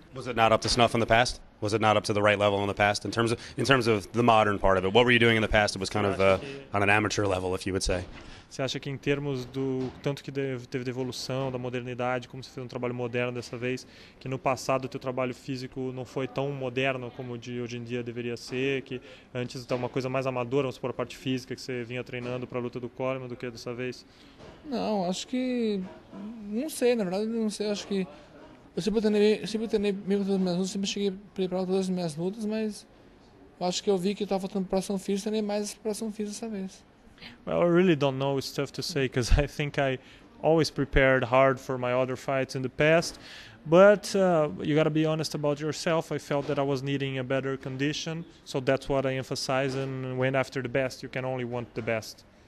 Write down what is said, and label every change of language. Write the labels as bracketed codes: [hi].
[en] Was it not up to snuff in the past? Was it not up to the right level in the past in terms of the modern part of it? What were you doing in the past? It was kind of on an amateur level, if you would say. [pt] Você acha que em termos do tanto que teve de evolução, da modernidade, como você fez um trabalho moderno dessa vez, que no passado o teu trabalho físico não foi tão moderno como de hoje em dia deveria ser, que antes era uma coisa mais amadora, vamos supor, a parte física que você vinha treinando para a luta do Coleman, do que dessa vez? Não, acho que... Não sei, na verdade, não sei. Acho que eu sempre cheguei preparado todas as minhas lutas, mas eu acho que eu vi que estava faltando preparação física, treinei mais preparação física dessa vez. [en] Well, I really don't know. It's tough to say because I think I always prepared hard for my other fights in the past. But you got to be honest about yourself. I felt that I was needing a better condition. So that's what I emphasize and went after the best. You can only want the best.